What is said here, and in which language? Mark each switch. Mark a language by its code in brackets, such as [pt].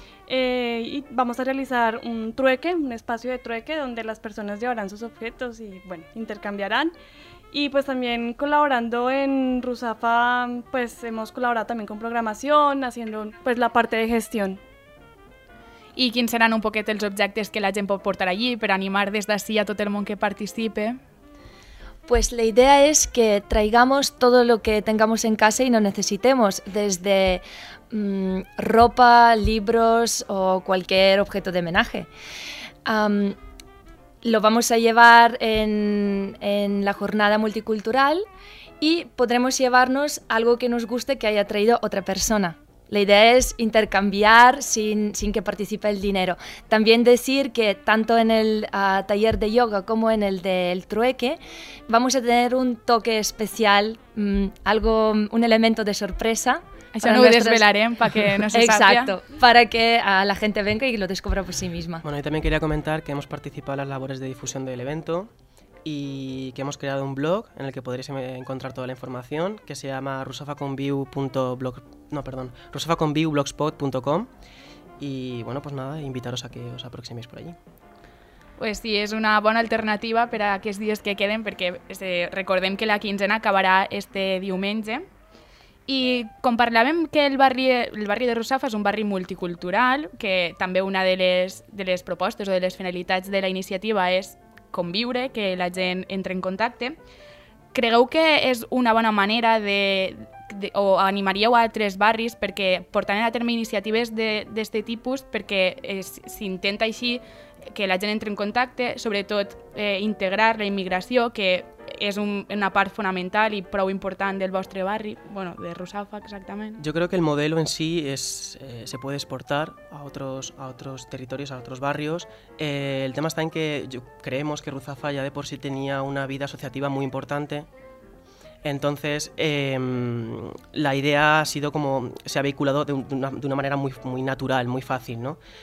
[es] Y vamos a realizar un trueque, un espacio de trueque donde las personas llevarán sus objetos y bueno, intercambiarán. Y pues también colaborando en Ruzafa, pues hemos colaborado también con programación, haciendo pues la parte de gestión. [ca] I quins seran un poquet els objectes que la gent pot portar allí per animar des d'ací a tot el món que participe? [es] Pues la idea es que traigamos todo lo que tengamos en casa y no necesitemos, desde ropa, libros o cualquier objeto de homenaje. Lo vamos a llevar en la jornada multicultural y podremos llevarnos algo que nos guste que haya traído otra persona. La idea es intercambiar sin que participe el dinero. También decir que tanto en el taller de yoga como en el del trueque vamos a tener un toque especial, un elemento de sorpresa. [ca] Això no ho desvelarem perquè no se sàpia. [es] Exacto, para que la gente venga y lo descubra por sí misma. Bueno, y también quería comentar que hemos participado en las labores de difusión del evento y que hemos creado un blog en el que podréis encontrar toda la información, que se llama rusafaconviu.blogspot.com. Y bueno, pues nada, invitaros a que os aproximéis por allí. [ca] Pues sí, és una bona alternativa per a aquests dies que queden, perquè recordem que la quinzena acabarà este diumenge. I com parlàvem que el barri de Ruzafa és un barri multicultural, que també una de les propostes o de les finalitats de la iniciativa és conviure, que la gent entre en contacte. Creieu que és una bona manera de o animaríeu a altres barris perquè portaran a terme iniciatives d'aquest tipus, perquè s'intenta així que la gent entre en contacte, sobretot integrar la immigració, que és una part fonamental i prou important del vostre barri, bueno, de Ruzafa exactament. [es] Yo creo que el modelo en sí se puede exportar a otros territorios, a otros barrios. El tema está en que creemos que Ruzafa ya de por sí tenía una vida asociativa muy importante. Entonces, la idea ha sido como se ha vehiculado de una manera muy, muy natural, muy fácil, ¿no?